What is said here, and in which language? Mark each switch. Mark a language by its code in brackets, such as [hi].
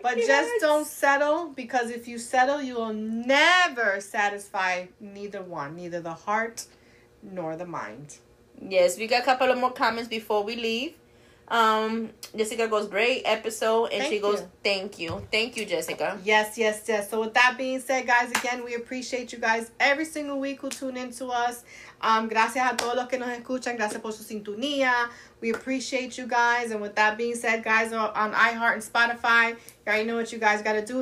[en] But just don't settle, because if you settle, you will never satisfy neither one, neither the heart nor the mind. Yes. We got a couple of more comments before we leave. Jessica goes, great episode, and thank you Jessica. Yes. So with that being said, guys, again, we appreciate you guys every single week who tune in to us. [es] Gracias a todos los que nos escuchan, gracias por su sintonía. [en] We appreciate you guys. And with that being said, guys, on iHeart and Spotify, you already know what you guys got to do.